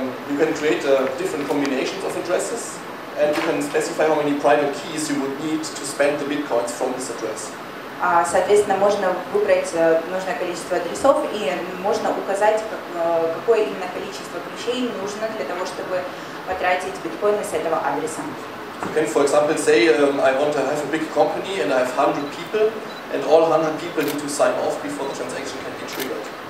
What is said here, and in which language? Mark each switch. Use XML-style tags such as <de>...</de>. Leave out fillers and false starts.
<en>You can create different combinations of addresses, and you can specify how many private keys you would need to spend the bitcoins from this address.</en> <ru>Соответственно, можно выбрать нужное количество адресов и можно указать, какое именно количество ключей нужно для того, чтобы потратить биткоины с этого адреса.</ru> <en>You can, for example, say I want to have a big company and I have 100 people and all 100 people need to sign off before the transaction can be triggered.</en>